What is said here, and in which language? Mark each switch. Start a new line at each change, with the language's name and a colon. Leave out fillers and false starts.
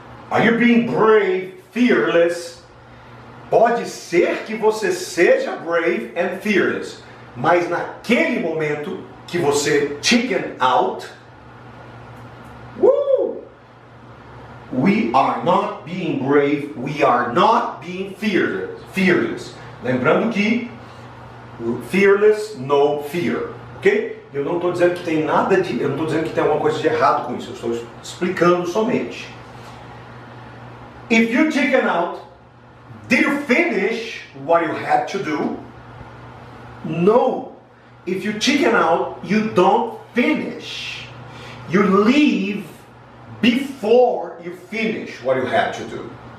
English: Are you being brave, fearless?
Portuguese: Pode ser que você seja
English: brave and fearless,
Portuguese: mas naquele momento que você
English: chicken out,
Portuguese: woo!
English: We are not being brave, we are not being fearless.
Portuguese: Lembrando que fearless, no fear, ok? Eu não estou dizendo que tem nada de. Eu não estou dizendo que tem alguma coisa de errado com isso. Eu estou explicando somente.
English: If you chicken out, did you finish what you had to do? No. If you chicken out, you don't finish. You leave before you finish what you had to do.